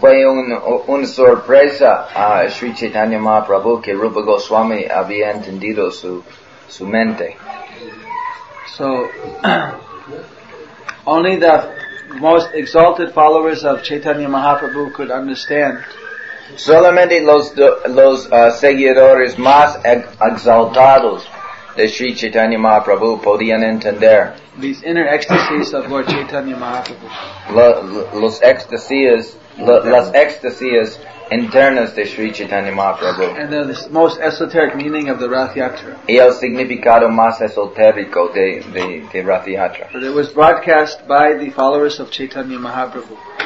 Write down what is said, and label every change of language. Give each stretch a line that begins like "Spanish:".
Spanish: Fue una sorpresa a Sri Chaitanya Mahaprabhu que Rupa Goswami había entendido su mente.
English: So, only the most exalted followers of Chaitanya Mahaprabhu could understand.
Spanish: Solamente los seguidores más exaltados de Sri Chaitanya Mahaprabhu podían entender
English: these inner ecstasies of Lord Chaitanya Mahaprabhu.
Spanish: Las ecstasías internas de Sri Chaitanya Mahaprabhu.
English: And the most esoteric meaning of the Rath Yatra.
Spanish: Y el significado más esotérico de Rath Yatra.
English: But it was broadcast by the followers of Chaitanya Mahaprabhu.